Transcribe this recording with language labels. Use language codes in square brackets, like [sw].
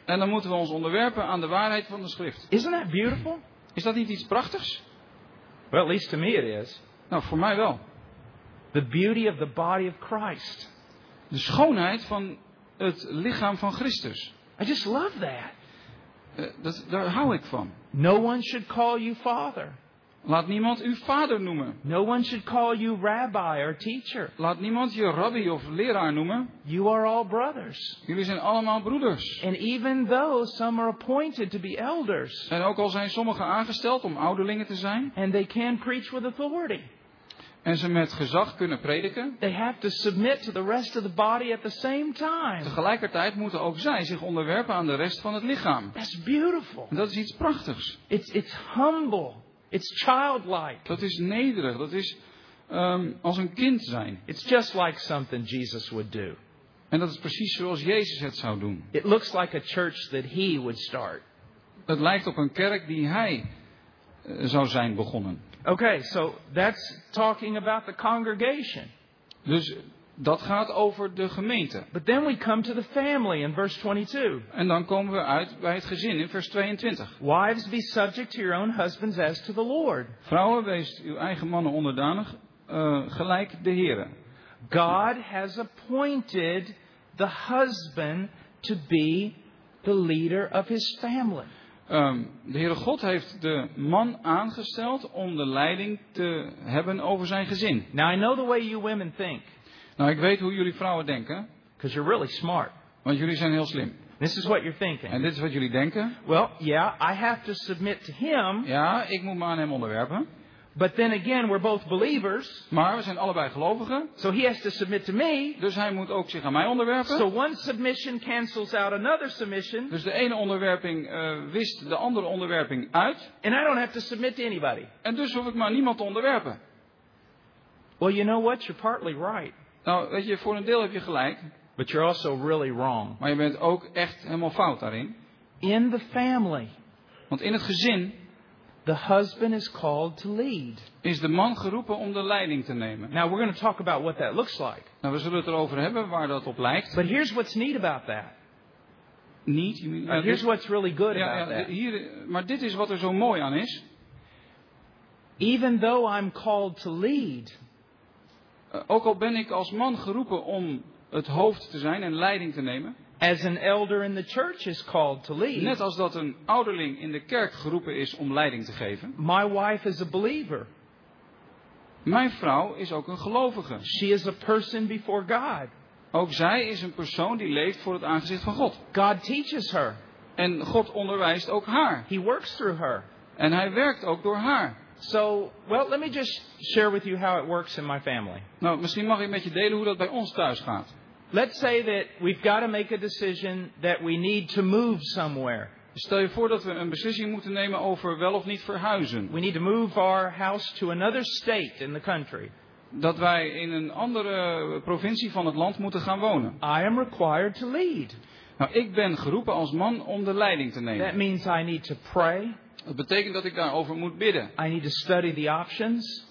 [nl] En dan moeten we ons onderwerpen aan de waarheid van de schrift. [en] Isn't that beautiful? [nl] Is dat niet iets prachtigs? [en] Well, at least to me it is. [nl] Nou, voor mij wel. [en] The beauty of the body of Christ. [nl] De schoonheid van het lichaam van Christus. [en] I just love that. [nl] Daar hou ik van. [en] No one should call you father. [nl] Laat niemand u vader noemen. [en] No one should call you rabbi or teacher. [nl] Laat niemand je rabbi of leraar noemen. [en] You are all brothers. [nl] Jullie zijn allemaal broeders. [en] And even though some are appointed to be elders. [nl] En ook al zijn sommigen aangesteld om ouderlingen te zijn. [en] And they can preach with authority. [nl] En ze met gezag kunnen prediken. [en] They have to submit to the rest of the body at the same time. [nl] Tegelijkertijd moeten ook zij zich onderwerpen aan de rest van het lichaam. [en] That's beautiful. [nl] Dat is iets prachtigs. [en] It's humble. It's childlike. [nl] Dat is nederig. Dat is als een kind zijn. [en] It's just like something Jesus would do. [nl] En dat is precies zoals Jezus het zou doen. [en] It looks like a church that he would start. [nl] Het lijkt op een kerk die hij zou zijn begonnen. [en] Okay, so that's talking about the congregation. [nl] Dus dat gaat over de gemeente. [en] But then we come to the family in verse 22. [nl] En dan komen we uit bij het gezin in vers 22. [en] Wives, be subject to your own husbands as to the Lord. [nl] Vrouwen, wees uw eigen mannen onderdanig, gelijk de Heren. [en] God has appointed the husband to be the leader of his family. [nl] De Heere God heeft de man aangesteld om de leiding te hebben over zijn gezin. [en] Now I know the way you women think. [nl] Nou, ik weet hoe jullie vrouwen denken. [en] Because you're really smart. [nl] Want jullie zijn heel slim. [en] This is what you're thinking. [nl] En dit is wat jullie denken. [en] Well, yeah, I have to submit to him. [nl] Ja, ik moet me aan hem onderwerpen. [en] But then again, we're both believers. [nl] Maar we zijn allebei gelovigen. [en] So he has to submit to me. [nl] Dus hij moet ook zich aan mij onderwerpen. [en] So one submission cancels out another submission. [nl] Dus de ene onderwerping wist de andere onderwerping uit. [en] And I don't have to submit to anybody. [nl] En dus hoef ik maar niemand te onderwerpen. [en] Well, you know what? You're partly right. [nl] Nou, weet je, voor een deel heb je gelijk. [en] But you're also really wrong. [nl] Maar je bent ook echt helemaal fout daarin. [en] In the family. [nl] Want in het gezin. [en] The husband is called to lead. [nl] Is de man geroepen om de leiding te nemen. [en] Now we're going to talk about what that looks like. [nl] Nou, we zullen het erover hebben waar dat op lijkt. [en] But here's what's neat about that. Neat? You mean, here's what's really good about that. [nl] Hier, maar dit is wat er zo mooi aan is. [en] Even though I'm called to lead. [nl] Ook al ben ik als man geroepen om het hoofd te zijn en leiding te nemen. [en] As an elder in the church is called to lead. [nl] Net als dat een ouderling in de kerk geroepen is om leiding te geven. [en] My wife is a believer. [nl] Mijn vrouw is ook een gelovige. [en] She is a person before God. [nl] Ook zij is een persoon die leeft voor het aangezicht van God. [en] God teaches her. [nl] En God onderwijst ook haar. [en] He works through her. [nl] En hij werkt ook door haar. [en] So, well, let me just share with you how it works in my family. [nl] Nou, misschien mag ik met je delen hoe dat bij ons thuis gaat. [en] Let's say that we've got to make a decision that we need to move somewhere. [nl] Stel je voor dat we een beslissing moeten nemen over wel of niet verhuizen. [en] We need to move our house to another state in the country. [nl] Dat wij in een andere provincie van het land moeten gaan wonen. [en] I am required to lead. [nl] Nou, ik ben geroepen als man om de leiding te nemen. [en] That means I need to pray. [nl] Dat betekent dat ik daarover moet bidden. [en] I need to study the options.